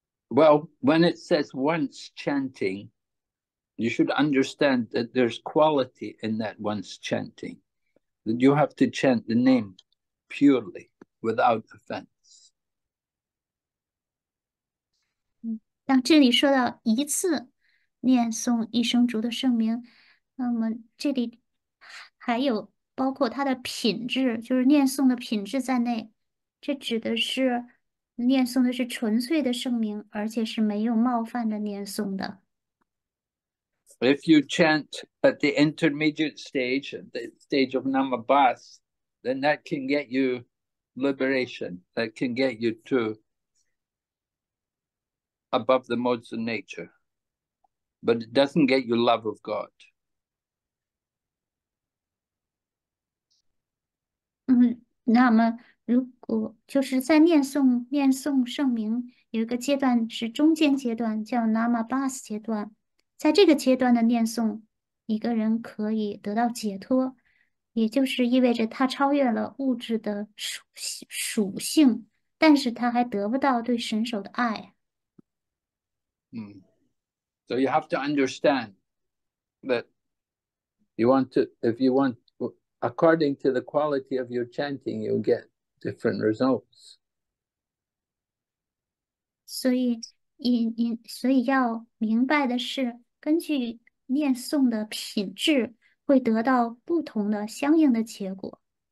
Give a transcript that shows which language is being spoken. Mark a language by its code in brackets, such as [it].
[en] Well, when it says once chanting, you should understand that there's quality in that once chanting, that you have to chant the name purely without offense. [zh] 那这里说到一次。念诵一声主的圣名，那么这里还有包括它的品质，就是念诵的品质在内。这指的是念诵的是纯粹的圣名，而且是没有冒犯的念诵的。 [en] If you chant at the intermediate stage, the stage of Namabhas, then that can get you liberation, that can get you to above the modes of nature. But it doesn't get you love of God. [zh] 那么，如果就是在念诵圣名，有一个阶段是中间阶段，叫 Namabhas 阶段。在这个阶段的念诵，一个人可以得到解脱，也就是意味着他超越了物质的属性，但是他还得不到对神手的爱。 [en] So you have to understand that you want to, if you want, according to the quality of your chanting, you'll get different results. [zh] 所以要明白的是，根据念诵的品质，会得到不同的相应的结果。